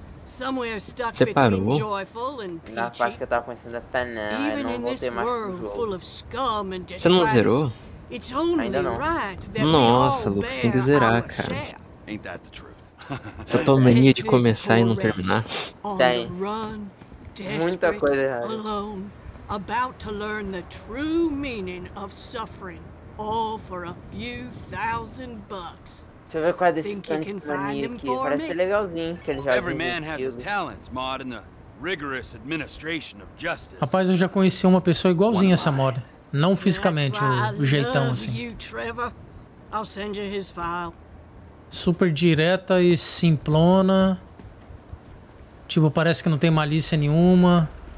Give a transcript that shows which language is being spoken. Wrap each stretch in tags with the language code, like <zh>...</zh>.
<pt>Você parou? Na parte que eu tava conhecendo a Penem, eu não voltei mais pro jogo. Você não zerou? Ainda não. Nossa, Lucas, tem que zerar, cara.</pt> <en>Ain't that the truth?</en> <pt>Você tem mania de começar e não terminar? Tem. Muita coisa errada.</pt> <en>About to learn the true meaning of suffering, all for a few thousand bucks.</en> <pt>Deixa eu ver qual é desse tanto aqui. Parece ser legalzinho que ele já.</pt> <en>Every man has his talents, Maud, in the rigorous administration of justice.</en> <pt>Rapaz, eu já conheci uma pessoa igualzinha a essa Maud. Não fisicamente, o jeitão assim.</pt> <en>You, Trevor. I'll send you his file.</en> <pt>Super direta e simplona. Tipo, parece que não tem malícia nenhuma.</pt>